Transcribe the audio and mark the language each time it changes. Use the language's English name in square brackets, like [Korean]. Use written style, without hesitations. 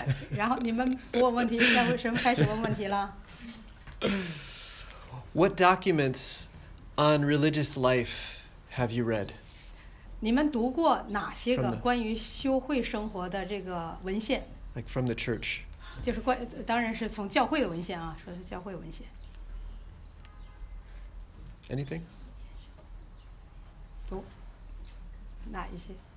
[Chinese] 然后你们不问问题，现在为什么开始问问题了？ [English] What documents on religious life have you read? [Chinese] 你们读过哪些个关于修会生活的这个文献？ [English] Like from the church. [Chinese] 就是当然是从教会的文献啊，说是教会文献。 [English] Anything? [Chinese] 读哪一些？